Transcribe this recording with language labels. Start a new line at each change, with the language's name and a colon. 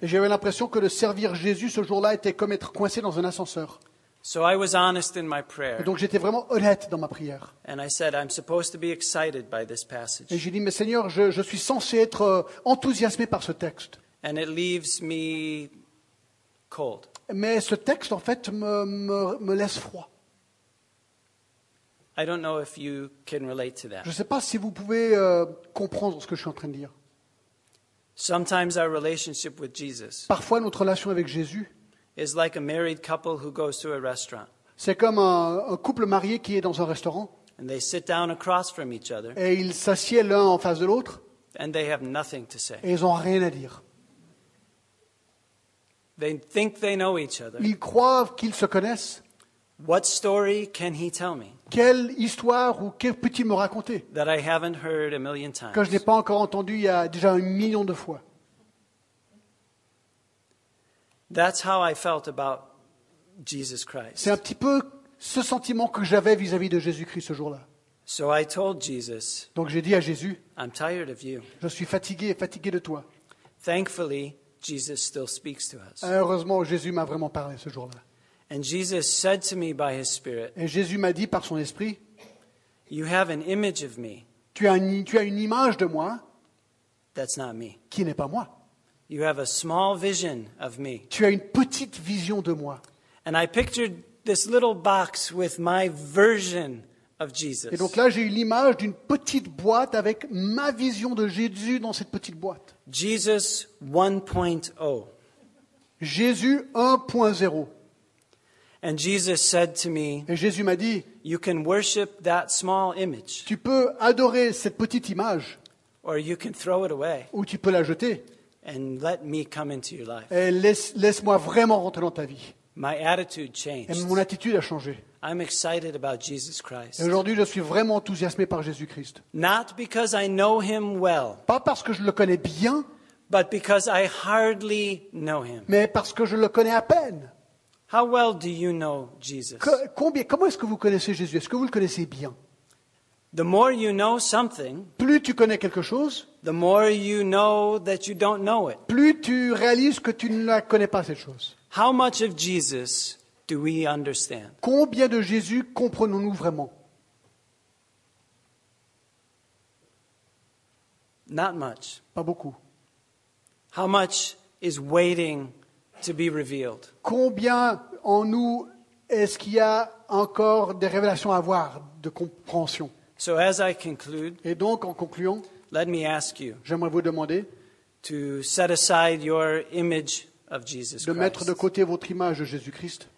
French: Et j'avais l'impression que de servir Jésus ce jour-là était comme être coincé dans un ascenseur.
English: So I was honest in my prayer.
French: Et donc j'étais vraiment honnête dans ma prière.
English: And I said, I'm supposed to be excited by this passage.
French: Et j'ai dit, mais Seigneur, je suis censé être enthousiasmé par ce texte.
English: And it leaves me cold.
French: Mais ce texte, en fait, me laisse froid.
English: I don't know if you can relate to that.
French: Je ne sais pas si vous pouvez comprendre ce que je suis en train de dire.
English: Sometimes our relationship with Jesus.
French: Parfois, notre relation avec Jésus.
English: Is like a married couple who goes to a restaurant.
French: C'est comme un couple marié qui est dans un restaurant.
English: And they sit down across from each other.
French: Et ils s'assiedent l'un en face de l'autre.
English: And they have nothing to say.
French: Et ils n'ont rien à dire.
English: They think they know each other.
French: Ils croient qu'ils se connaissent.
English: What story can he tell me?
French: Quelle histoire ou que peut-il me raconter?
English: That I haven't heard a million times.
French: Que je n'ai pas encore entendu il y a déjà un million de fois.
English: That's how I felt about Jesus Christ.
French: C'est un petit peu ce sentiment que j'avais vis-à-vis de Jésus-Christ ce jour-là.
English: So I told Jesus,
French: donc j'ai dit à Jésus,
English: I'm tired of you.
French: Je suis fatigué de toi.
English: Thankfully, Jesus still speaks to us.
French: Heureusement, Jésus m'a vraiment parlé ce jour-là.
English: And Jesus said to me by his spirit,
French: et Jésus m'a dit par son esprit,
English: you have an image of me.
French: Tu as une image de moi.
English: That's not me.
French: Qui n'est pas moi.
English: You have a small vision of me.
French: Tu as une petite vision de moi.
English: And I pictured this little box with my version of Jesus.
French: Et donc là, j'ai eu l'image d'une petite boîte avec ma vision de Jésus dans cette petite boîte.
English: Jesus 1.0.
French: Jésus 1.0.
English: And Jesus said to me,
French: et Jésus m'a dit,
English: you can worship that small image.
French: Tu peux adorer cette petite image.
English: Or you can throw it away.
French: Ou tu peux la jeter.
English: And let me come into your life.
French: Et laisse-moi vraiment rentrer dans ta vie.
English: My attitude changed.
French: Et mon attitude a changé.
English: I'm excited about Jesus Christ.
French: Et aujourd'hui, je suis vraiment enthousiasmé par Jésus-Christ.
English: Not because I know him well.
French: Pas parce que je le connais bien.
English: But because I hardly know him.
French: Mais parce que je le connais à peine.
English: How well do you know Jesus?
French: Comment est-ce que vous connaissez Jésus? Est-ce que vous le connaissez bien?
English: The more you know something,
French: plus tu connais quelque chose,
English: the more you know that you don't know it.
French: Plus tu réalises que tu ne la connais pas cette chose.
English: How much of Jesus do we understand?
French: Combien de Jésus comprenons-nous vraiment?
English: Not much.
French: Pas beaucoup.
English: How much is waiting to be revealed?
French: Combien en nous est-ce qu'il y a encore des révélations à avoir, de compréhension?
English: So as I conclude,
French: et donc en concluant,
English: let me ask you,
French: j'aimerais vous demander,
English: to set aside your image of Jesus Christ,
French: de mettre de côté votre image de Jésus-Christ,